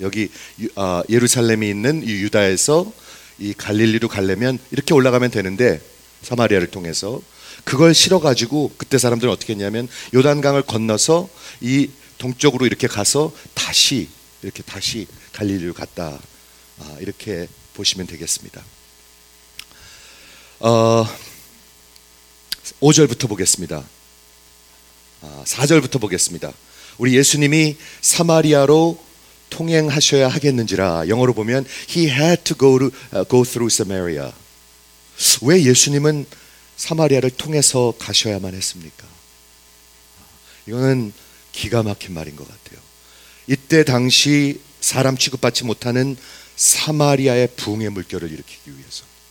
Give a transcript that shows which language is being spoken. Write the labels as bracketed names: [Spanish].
[Korean] 여기 예루살렘이 있는 이 유다에서 이 갈릴리로 가려면 이렇게 올라가면 되는데 사마리아를 통해서 그걸 싫어가지고 그때 사람들은 어떻게 했냐면 요단강을 건너서 이 동쪽으로 이렇게 가서 다시 갈릴리로 갔다. 이렇게 보시면 되겠습니다. 5절부터 보겠습니다. 4절부터 보겠습니다. 우리 예수님이 사마리아로 통행하셔야 하겠는지라. 영어로 보면 [English] He had to go through Samaria. [Korean] 왜 예수님은 사마리아를 통해서 가셔야만 했습니까? 이거는 기가 막힌 말인 것 같아요. 이때 당시 사람 취급받지 못하는 사마리아의 붕의 물결을 일으키기 위해서.